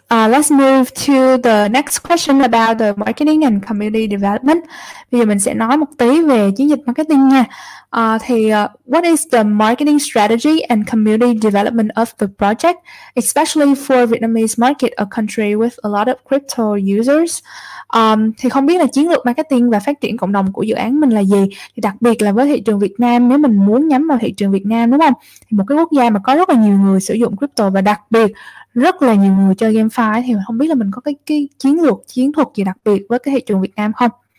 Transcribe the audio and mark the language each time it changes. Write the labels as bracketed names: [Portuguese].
[English] Let's move to the next question about the marketing and community development. [Vietnamese] Bây giờ mình sẽ nói một tí về chiến dịch marketing nha. [English] What is the marketing strategy and community development of the project, especially for Vietnamese market, a country with a lot of crypto users? [Vietnamese] Thì không biết là chiến lược marketing và phát triển cộng đồng của dự án mình là gì, thì đặc biệt là với thị trường Việt Nam, nếu mình muốn nhắm vào thị trường Việt Nam đúng không? Thì một cái quốc gia mà có rất là nhiều người sử dụng crypto và đặc biệt rất là nhiều người chơi GameFi, thì không biết là mình có cái chiến lược, chiến thuật gì đặc biệt với cái thị trường Việt Nam không?